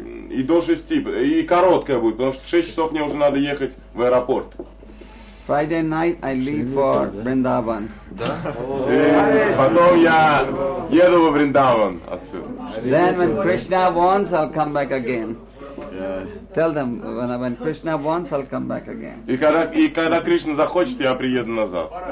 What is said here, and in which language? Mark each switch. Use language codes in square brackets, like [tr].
[ru] И до 6, и короткая будет, потому что в 6 часов мне уже надо ехать в аэропорт. [en] Friday night I leave for Vrindavan. [ru] Потом я еду во Вриндаван отсюда. [en] Then when Krishna wants, I'll come back again. Yeah. Tell them when Krishna wants, I'll come back again. [ru] И когда Кришна захочет, я приеду назад.